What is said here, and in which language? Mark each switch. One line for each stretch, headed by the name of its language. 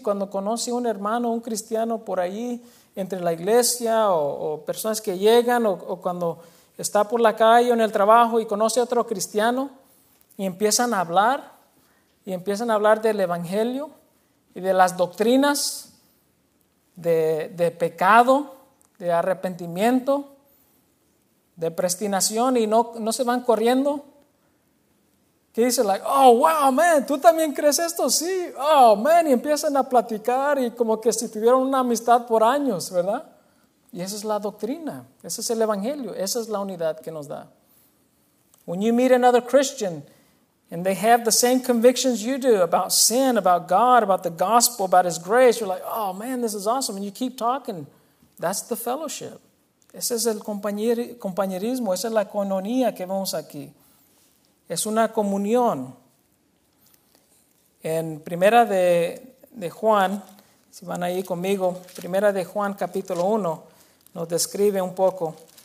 Spanish: Cuando conocí a un hermano, un cristiano por ahí entre la iglesia o personas que llegan o cuando está por la calle o en el trabajo y conoce a otro cristiano y empiezan a hablar del evangelio y de las doctrinas de pecado, de arrepentimiento, de predestinación y no se van corriendo. Que dice,
English: like, oh, wow, man,
Spanish: ¿tú también crees esto? Sí, oh, man, y empiezan a platicar y como que si tuvieron una amistad por años, ¿verdad? Y esa es la doctrina, ese es el evangelio, esa es la unidad que nos da.
English: When you meet another Christian and they have the same convictions you do about sin, about God, about the gospel, about his grace, you're like, oh, man, this is awesome, and you keep talking, that's the fellowship.
Spanish: Ese es el compañerismo, esa es la koinonía que vemos aquí. Es una comunión. En primera de Juan, si van ahí conmigo, primera de Juan capítulo 1, nos describe un poco.